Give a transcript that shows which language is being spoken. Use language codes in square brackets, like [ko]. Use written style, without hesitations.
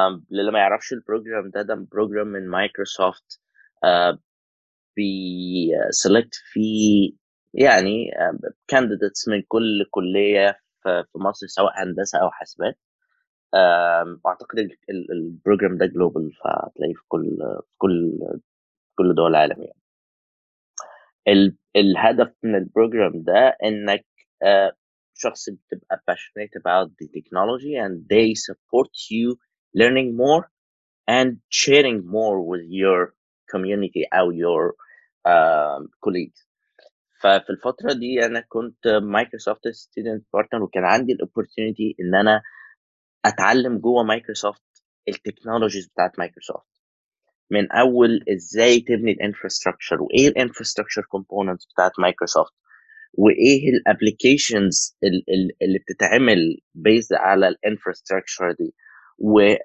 [ar] للي ما يعرفش البروجرام ده، ده بروجرام من مايكروسوفت بي سيلكت في يعني كانديديتس من كل كليه في مصر سواء هندسه او حاسبات. أعتقد البروجرام ده جلوبال، فتلاقيه في كل دول العالم يعني. الهدف من البروجرام ده انك شخص بتبقى [en] passionate about the technology and they support you learning more and sharing more with your community or your colleagues. [ar] ففي الفترة دي انا كنت مايكروسوفت [en] student partner [ar] وكان عندي الاوبورتيونيتي ان انا اتعلم جوه مايكروسوفت التكنولوجيز بتاعت مايكروسوفت، من اول ازاي تبني الانفراستراكشر وايه الانفراستراكشر كومبوننتس بتاعت مايكروسوفت وايه الابلكيشنز اللي بتتعمل بيز على الانفراستراكشر دي و